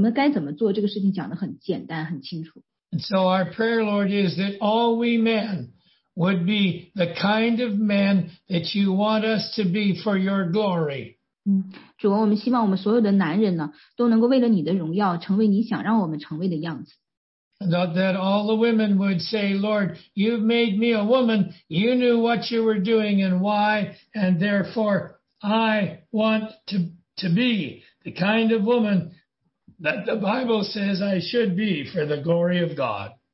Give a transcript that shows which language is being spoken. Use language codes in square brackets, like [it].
[zh] 当然，虽然我们知道该怎么做，但是做起来确实有的时候真的是很难。但是你却把我们该怎么做这个事情讲得很简单、很清楚。 [en] And so our prayer, Lord, is that all we men would be the kind of men that you want us to be for your glory. [zh] 主啊，我们希望我们所有的男人呢，都能够为了你的荣耀，成为你想让我们成为的样子。 [en] That all the women would say, Lord, you've made me a woman. You knew what you were doing and why, and therefore I want to be the kind of woman that the Bible says I should be for the glory of God.